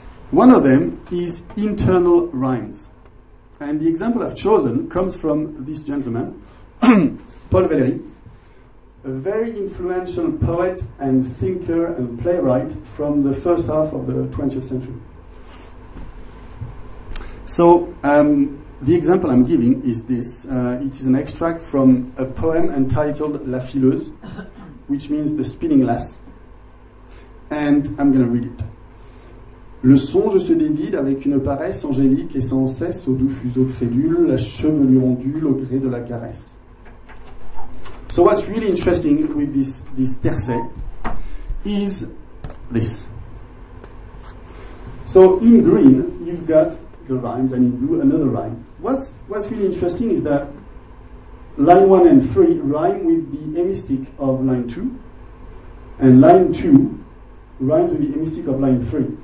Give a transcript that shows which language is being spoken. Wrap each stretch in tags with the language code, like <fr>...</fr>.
<en>One of them is internal rhymes. And the example I've chosen comes from this gentleman, Paul Valéry, a very influential poet and thinker and playwright from the first half of the 20th century. So the example I'm giving is this. It is an extract from a poem entitled La Fileuse, which means the spinning lass. And I'm going to read it.</en> <fr>Le songe se dévide avec une paresse angélique et sans cesse au doux fuseau crédule, la chevelure ondule au gré de la caresse.</fr> <en>So what's really interesting with this tercet is this. So in green, you've got the rhymes, and in blue, another rhyme. What's really interesting is that line 1 and 3 rhyme with the hemistich of line 2, and line 2 rhymes with the hemistich of line 3.</en>